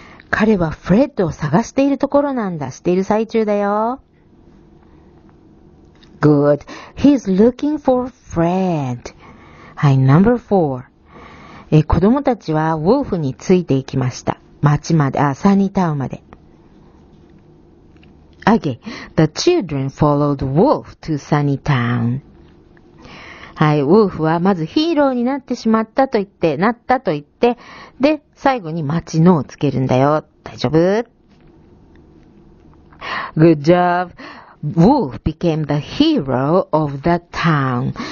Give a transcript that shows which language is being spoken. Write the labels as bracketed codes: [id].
[ja] 彼はフレッドを探しているところなんだ。している最中だよ。 [en] Good, he's looking for Fred. [ja] はい、 [en] number four. [ja] 子供たちはウォーフについていきました。町まで、サニータウンまで。 [en] Okay, the children followed Wolf to Sunny Town. [ja] はい、ウォーフはまずヒーローになってしまったと言って、なったと言って、で、最後に町のをつけるんだよ。大丈夫？ [en] Good job! Wolf became the hero of the town.